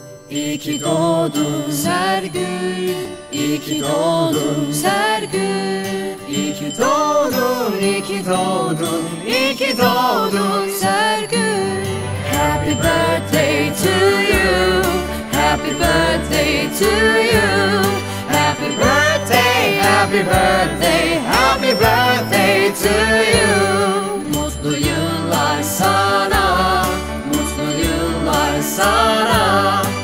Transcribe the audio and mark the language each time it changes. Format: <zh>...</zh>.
<tr>İyi ki doğdun Sergül, İyi ki doğdun Sergül, İyi ki doğdun, İyi ki doğdun, İyi ki doğdun Sergül.</tr> <en>Happy birthday to you, happy birthday to you, happy birthday, happy birthday, happy birthday to you.</en> <tr>Mutlu yıllar sana, mutlu yıllar sana.</tr>